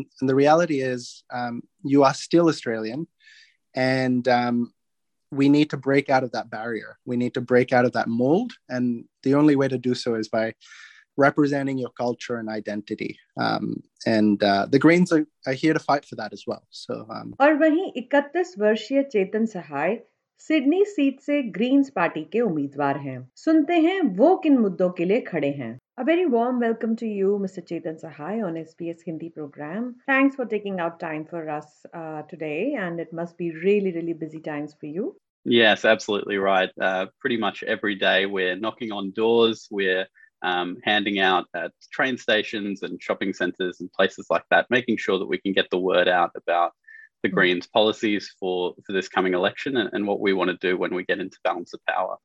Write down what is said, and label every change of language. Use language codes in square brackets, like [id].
[en] And the reality is you are still Australian. And we need to break out of that barrier. We need to break out of that mold. And the only way to do so is by representing your culture and identity. The Greens are here to fight for that as well. So, [hi] और वहीं 31 वर्षीय चेतन सहाय Sydney seat से Greens party के उम्मीदवार हैं। सुनते हैं वो किन मुद्दों के लिए खड़े हैं। [en] A very warm welcome to you, Mr. Chetan Sahai, on SBS Hindi program. Thanks for taking out time for us today, and it must be really, really busy times for you. Yes, absolutely right. Pretty much every day we're knocking on doors, we're handing out at train stations and shopping centers and places like that, making sure that we can get the word out about the Greens policies for this coming election and what we want to do when we get into balance of power.